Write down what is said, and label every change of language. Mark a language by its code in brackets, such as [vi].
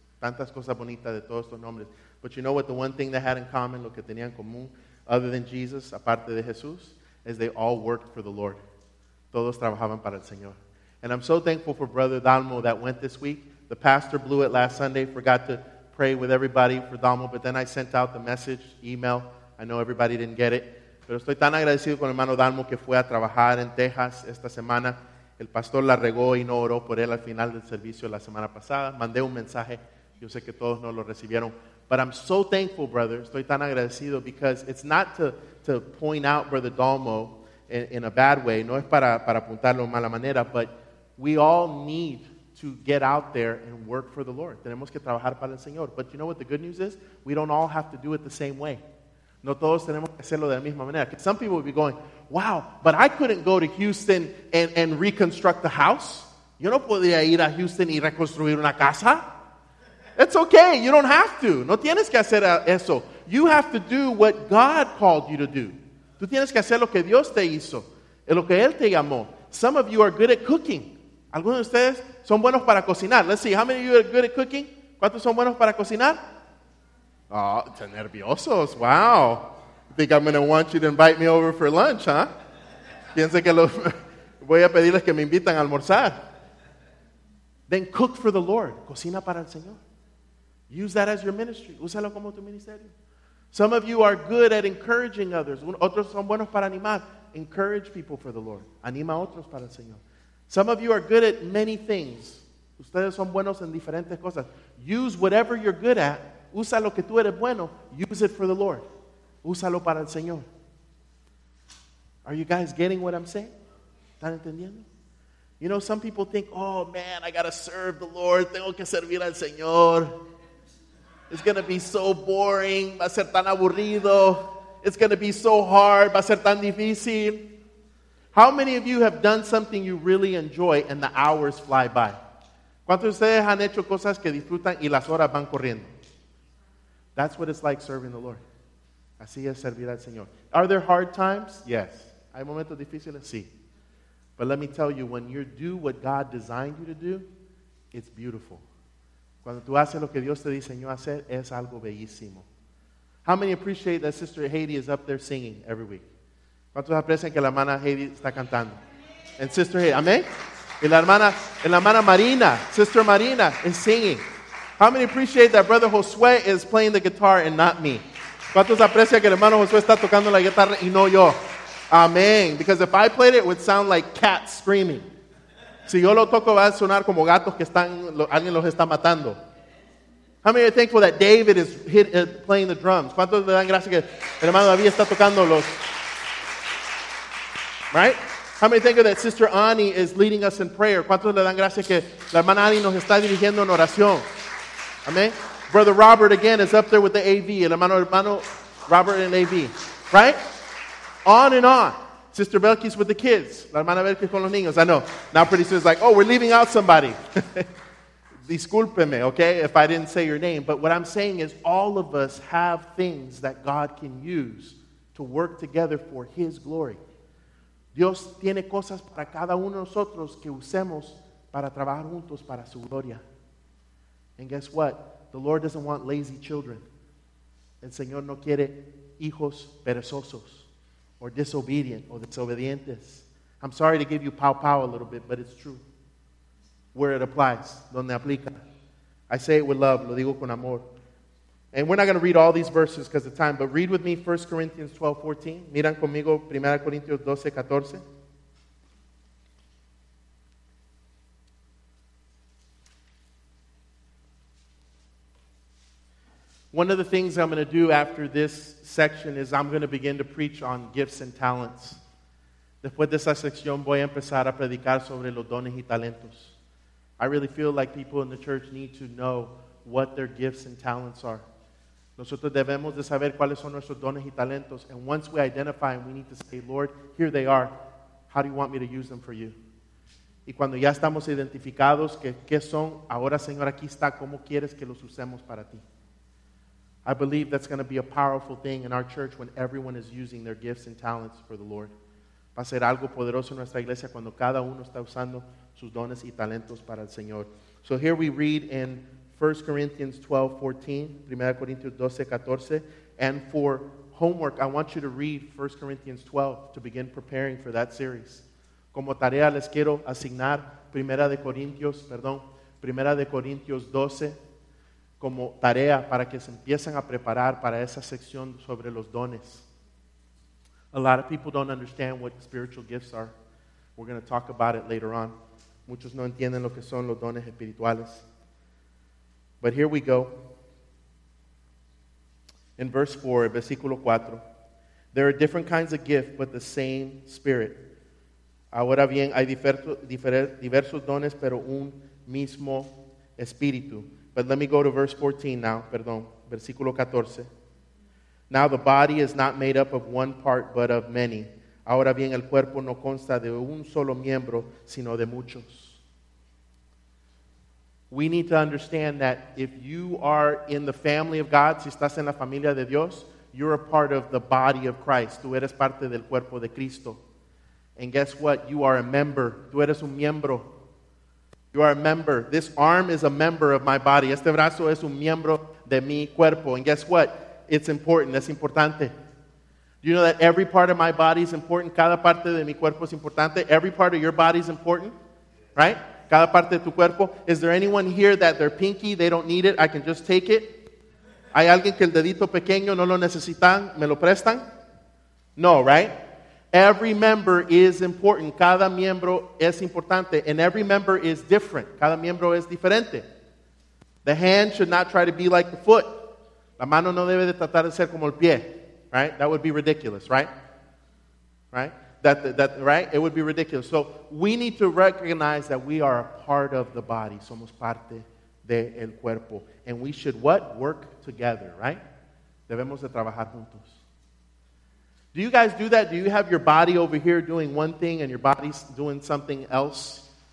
[es] Tantas cosas bonitas de todos estos nombres. [en] But you know what the one thing they had in common, [es] lo que tenían en común, [en] other than Jesus, [es] aparte de Jesús, [en] is they all worked for the Lord. [es] Todos trabajaban para el Señor. [en] And I'm so thankful for Brother Dalmo that went this week. The pastor blew it last Sunday, forgot to pray with everybody for Dalmo, but then I sent out the message, email. I know everybody didn't get it. [es] Pero estoy tan agradecido con hermano Dalmo que fue a trabajar en Texas esta semana. El pastor la regó y no oró por él al final del servicio la semana pasada. Mandé un mensaje. Yo sé que todos no lo recibieron. [en] But I'm so thankful, brother. [es] Estoy tan agradecido [en] because it's not to point out Brother Dalmo in a bad way. [es] No es para apuntarlo de mala manera. [en] But we all need to get out there and work for the Lord. [es] Tenemos que trabajar para el Señor. [en] But you know what the good news is? We don't all have to do it the same way. [es] No todos tenemos que hacerlo de la misma manera. [en] Some people would be going, wow, but I couldn't go to Houston and reconstruct the house. [es] Yo no podría ir a Houston y reconstruir una casa. [en] It's okay, you don't have to. [es] No tienes que hacer eso. [en] You have to do what God called you to do. [es] Tú tienes que hacer lo que Dios te hizo, lo que Él te llamó. [en] Some of you are good at cooking. [es] Algunos de ustedes son buenos para cocinar. [en] Let's see, how many of you are good at cooking? [es] ¿Cuántos son buenos para cocinar? [en] Oh, [es] están nerviosos, [en] wow. Think I'm going to want you to invite me over for lunch, huh? [es] Piense que voy a pedirles que me invitan a almorzar. [en] Then cook for the Lord. [es] Cocina para el Señor. [en] Use that as your ministry. [es] Úsalo como tu ministerio. [en] Some of you are good at encouraging others. [es] Otros son buenos para animar. [en] Encourage people for the Lord. [es] Anima a otros para el Señor. [en] Some of you are good at many things. [es] Ustedes son buenos en diferentes cosas. [en] Use whatever you're good at. [es] Usa lo que tú eres bueno. [en] Use it for the Lord. [es] Úsalo para el Señor. [en] Are you guys getting what I'm saying? [es] ¿Están entendiendo? [en] You know, some people think, oh man, I gotta serve the Lord. [es] Tengo que servir al Señor. [en] It's gonna be so boring. [es] Va a ser tan aburrido. [en] It's gonna be so hard. [es] Va a ser tan difícil. [en] How many of you have done something you really enjoy and the hours fly by? [es] ¿Cuántos de ustedes han hecho cosas que disfrutan y las horas van corriendo? [en] That's what it's like serving the Lord. [es] Así es servir al Señor. [en] Are there hard times? Yes. [es] ¿Hay momentos difíciles? Sí. [en] But let me tell you, when you do what God designed you to do, it's beautiful. [es] Cuando tú haces lo que Dios te diseñó hacer, es algo bellísimo. [en] How many appreciate that Sister Heidi is up there singing every week? [es] ¿Cuántos aprecian que la hermana Heidi está cantando? [en] And Sister Heidi, amén? [es] La hermana Marina, Sister Marina, is singing. [en] How many appreciate that Brother Josué is playing the guitar and not me? [es] ¿Cuántos aprecian que el hermano Josué está tocando la guitarra y no yo? Amén. [en] Because if I played it, it would sound like cats screaming. [es] Si yo lo toco, va a sonar como gatos que están, alguien los está matando. [en] How many are thankful that David is playing the drums? [es] ¿Cuántos le dan gracias que el hermano David está tocando los... [en] Right? How many thankful that Sister Annie is leading us in prayer? [es] ¿Cuántos le dan gracias que la hermana Annie nos está dirigiendo en oración? Amén. [en] Brother Robert, again, is up there with the AV. [es] El hermano [en] Robert and AV. Right? On and on. Sister Belkis with the kids. [es] La hermana Belkis con los niños. [en] I know. Now pretty soon it's like, oh, we're leaving out somebody. [es] Discúlpeme, [en] okay, if I didn't say your name. But what I'm saying is all of us have things that God can use to work together for His glory. [es] Dios tiene cosas para cada uno de nosotros que usemos para trabajar juntos para su gloria. [en] And guess what? The Lord doesn't want lazy children. [es] El Señor no quiere hijos perezosos [en] or disobedient or desobedientes. I'm sorry to give you pow-pow a little bit, but it's true. Where it applies, [es] donde aplica. [en] I say it with love, [es] lo digo con amor. [en] And we're not going to read all these verses because of time, but read with me 1 Corinthians 12:14. [es] Miran conmigo 1 Corinthians 12:14. [en] One of the things I'm going to do after this section is I'm going to begin to preach on gifts and talents. [es] Después de esa sección voy a empezar a predicar sobre los dones y talentos. [en] I really feel like people in the church need to know what their gifts and talents are. [es] Nosotros debemos de saber cuáles son nuestros dones y talentos. [en] And once we identify them, we need to say, Lord, here they are. How do you want me to use them for you? [es] Y cuando ya estamos identificados, ¿qué son? Ahora, Señor, aquí está. ¿Cómo quieres que los usemos para ti? [en] I believe that's going to be a powerful thing in our church when everyone is using their gifts and talents for the Lord. [es] Va a ser algo poderoso en nuestra iglesia cuando cada uno está usando sus dones y talentos para el Señor. [en] So here we read in 1 Corinthians 12:14, 1 Corinthians 12:14, and for homework, I want you to read 1 Corinthians 12 to begin preparing for that series. [es] Como tarea les quiero asignar Primera de Corintios 12 como tarea para que se empiecen a preparar para esa sección sobre los dones. [en] A lot of people don't understand what spiritual gifts are. We're going to talk about it later on. [es] Muchos no entienden lo que son los dones espirituales. [en] But here we go. In verse 4, [es] versículo 4, [en] there are different kinds of gifts, but the same Spirit. [es] Ahora bien, hay diversos dones, pero un mismo Espíritu. [en] But let me go to verse 14 now, [es] perdón, versículo 14. [en] Now the body is not made up of one part, but of many. [es] Ahora bien, el cuerpo no consta de un solo miembro, sino de muchos. [en] We need to understand that if you are in the family of God, [es] si estás en la familia de Dios, [en] you're a part of the body of Christ. [es] Tú eres parte del cuerpo de Cristo. [en] And guess what? You are a member. [es] Tú eres un miembro. [en] You are a member. This arm is a member of my body. [es] Este brazo es un miembro de mi cuerpo. [en] And guess what? It's important. [es] Es importante. [en] Do you know that every part of my body is important? [es] Cada parte de mi cuerpo es importante. [en] Every part of your body is important, right? [es] Cada parte de tu cuerpo. [en] Is there anyone here that their pinky, they don't need it, I can just take it? [es] ¿Hay alguien que el dedito pequeño no lo necesitan, me lo prestan? [en] No, right? Every member is important. [es] Cada miembro es importante. [en] And every member is different. [es] Cada miembro es diferente. [en] The hand should not try to be like the foot. [es] La mano no debe de tratar de ser como el pie, right? [en] That would be ridiculous, right? Right? That right? It would be ridiculous. So we need to recognize that we are a part of the body. [es] Somos parte del cuerpo. [en] And we should what? Work together, right? [es] Debemos de trabajar juntos. [en] Do you guys do that? Do you have your body over here doing one thing and your body's doing something else?